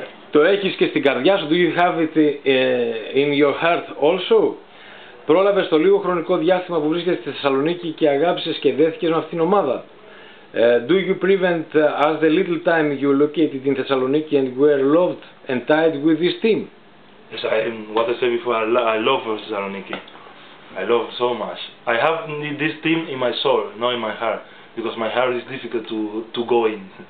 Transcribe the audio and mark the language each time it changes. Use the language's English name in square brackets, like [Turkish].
[Greek] Το έχεις και στην καρδιά σου, [English] do you have it in your heart also? [Greek] Πρόλαβες το λίγο χρονικό διάστημα που βρίσκεσαι στη Θεσσαλονίκη και αγάπησες και δέθηκες με αυτήν την ομάδα. [English] Do you prevent as the little time you located in Θεσσαλονίκη and were loved and tied with this team? Yes, what I said before, I love Θεσσαλονίκη. I love so much. I have this team in my soul, not in my heart, because my heart is difficult to go in.